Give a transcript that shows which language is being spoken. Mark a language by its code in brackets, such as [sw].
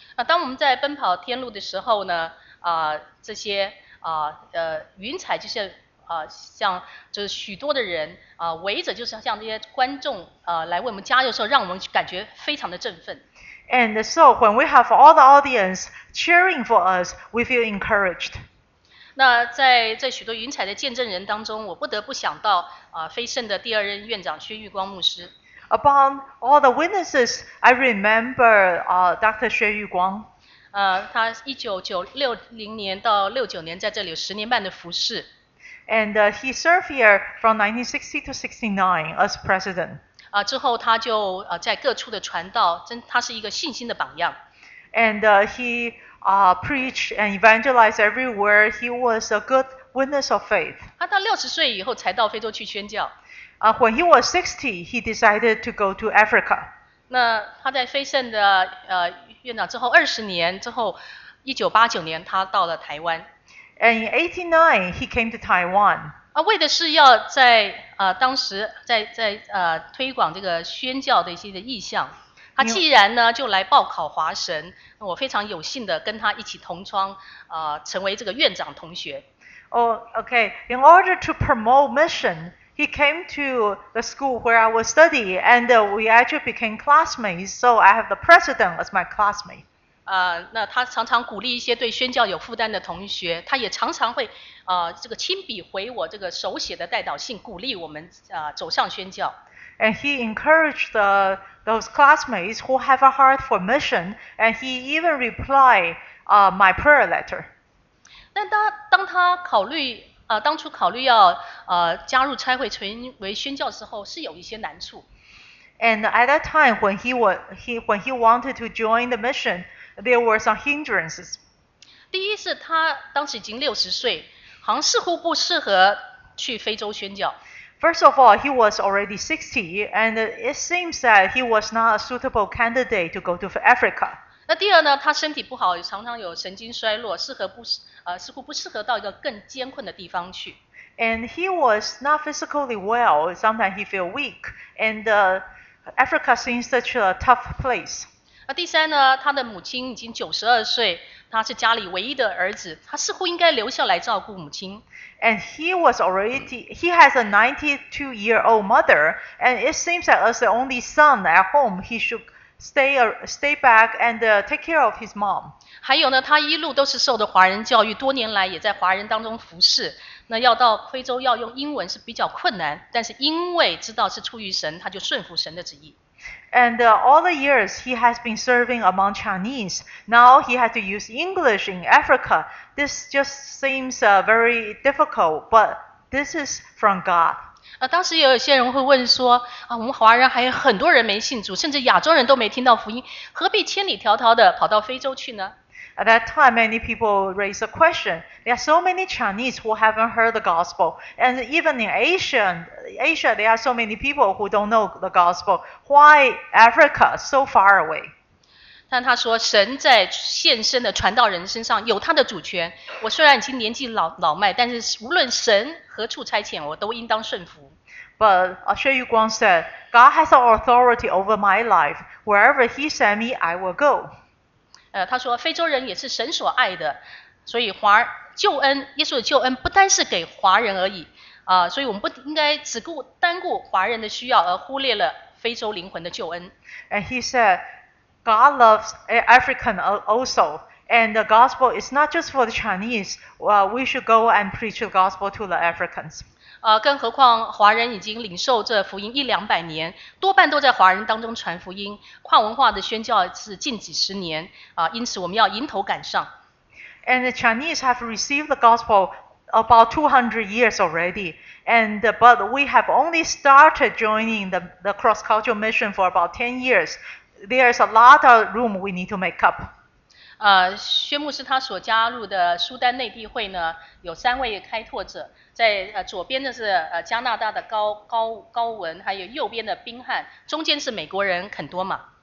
[zh] 当我们在奔跑天路的时候呢，这些云彩就是像就是许多的人围着，就是像这些观众来为我们加油的时候，让我们感觉非常的振奋。 [en] And so when we have all the audience cheering for us, we feel encouraged. [zh] 那在许多云彩的见证人当中，我不得不想到飞圣的第二任院长薛玉光牧师。 [en] Upon all the witnesses, I remember Dr. 薛玉光。 [zh] 他1960年到69年在这里有10年半的服事。 [en] And he served here from 1960 to 69 as president. [zh] 之后他就在各处的传道，他是一个信心的榜样。 [en] And he preached and evangelized everywhere. He was a good witness of faith. [zh] 他到60岁以后才到非洲去宣教。 [en] When he was 60, he decided to go to Africa. [zh] 那他在飞圣的院长之后20年之后，1989年他到了台湾。 [en] And in 89, he came to Taiwan. [zh] 为的是要在当时在推广这个宣教的一些的意向。他既然呢就来报考华神，我非常有幸的跟他一起同窗，成为这个院长同学。 [en] Okay. In order to promote mission, he came to the school where I was studying, and we actually became classmates. So I have the president as my classmate. [zh] 那他常常鼓励一些对宣教有负担的同学，他也常常会这个亲笔回我这个手写的代导信，鼓励我们走向宣教。 [en] And he encouraged those classmates who have a heart for mission, and he even replied my prayer letter. [zh] 但当他考虑当初考虑要加入差会成为宣教时候，是有一些难处。 [en] And at that time when he wanted to join the mission,There were some hindrances. [zh] 第一是他当时已经60岁，好像似乎不适合去非洲宣教。 [en] First of all, he was already 60, and it seems that he was not a suitable candidate to go to Africa. [zh] 那第二呢，他身体不好，常常有神经衰弱，适合不似乎不适合到一个更艰困的地方去。 [en] And he was not physically well. Sometimes he felt weak. And Africa seems such a tough place. [zh] 那第三呢，他的母亲已经92岁，他是家里唯一的儿子，他似乎应该留下来照顾母亲。 [en] And he was already, he has a 92-year-old mother, and it seems that as the only son at home, he should stay back and take care of his mom. [zh] 还有呢，他一路都是受的华人教育，多年来也在华人当中服侍。那要到非洲要用英文是比较困难，但是因为知道是出于神，他就顺服神的旨意。 [en] And all the years he has been serving among Chinese, now he had to use English in Africa. This just seems very difficult, but this is from God. [zh] 当时有些人会问说，我们华人还有很多人没信主，甚至亚洲人都没听到福音，何必千里迢迢的跑到非洲去呢？ [en] At that time, many people raised a question. There are so many Chinese who haven't heard the gospel. And even in Asia, there are so many people who don't know the gospel. Why Africa so far away? [zh] 但他说，神在现身的传道人身上有他的主权。我虽然已经年纪老迈，但是无论神何处差遣，我都应当顺服。 [en] But Xue Yuguang said, God has the authority over my life. Wherever he sent me, I will go. [zh] 他说非洲人也是神所爱的，所以救恩，耶稣的救恩不单是给华人而已，所以我们不应该只顾单顾华人的需要而忽略了非洲灵魂的救恩。 [en] And he said God loves African also, and the gospel is not just for the Chinese. We should go and preach the gospel to the Africans. [zh] 更何况华人已经领受这福音一两百年，多半都在华人当中传福音，跨文化的宣教是近几十年，因此我们要迎头赶上。 [en] And the Chinese have received the gospel about 200 years already, but we have only started joining the cross-cultural mission for about 10 years. There is a lot of room we need to make up. [zh] 薛牧师他所加入的苏丹内地会呢，有三位开拓者，在左边的是加拿大的高文，还有右边的宾汉，中间是美国人肯多玛。